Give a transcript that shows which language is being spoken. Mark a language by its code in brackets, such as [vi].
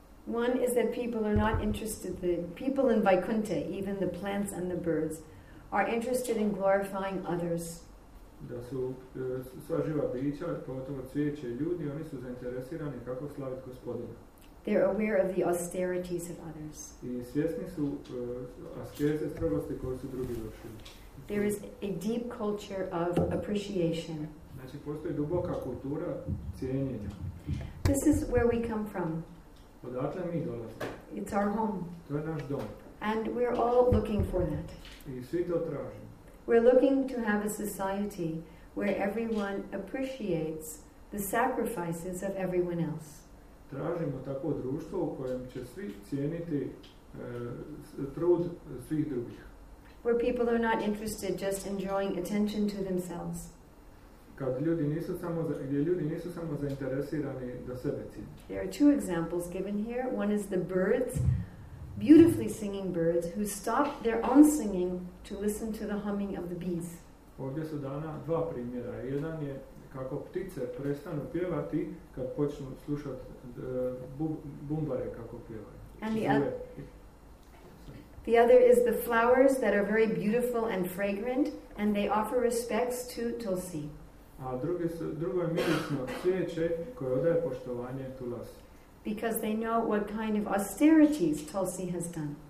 [en] One is that people are not interested, the people in Vaikuntha, even the plants and the birds, are interested in glorifying others. [hr] Da su sva živa bića, pogotovo cvijeće i ljudi, oni su zainteresirani kako slaviti gospodina. [en] They're aware of the austerities of others. [hr] I svjesni su askeze strogosti koje su drugi vršili. [en] There is a deep culture of appreciation. [hr] Znači, postoji duboka kultura cijenjenja. [en] This is where we come from. [hr] Odatle mi dolazimo. [en] It's our home. [hr] To je naš dom. [en] And we're all looking for that. [hr] I svi to tražimo. [en] We're looking to have a society where everyone appreciates the sacrifices of everyone else. [hr] Tražimo takvo društvo u kojem će svi cijeniti trud svih drugih. [en] Where people are not interested just in drawing attention to themselves. There are two examples given here. One is the birds, beautifully singing birds, who stop their own singing to listen to the humming of the bees. [hr] Ovdje su dana dva primjera. Jedan je kako ptice prestanu pjevati kad počnu slušati bumbare kako pjevaju. [en] The other is the flowers that are very beautiful and fragrant, and they offer respects to Tulsi. [hr] A drugo je mirisno cvijeće koje odaje poštovanje Tulsi. [en] Because they know what kind of austerities Tulsi has done.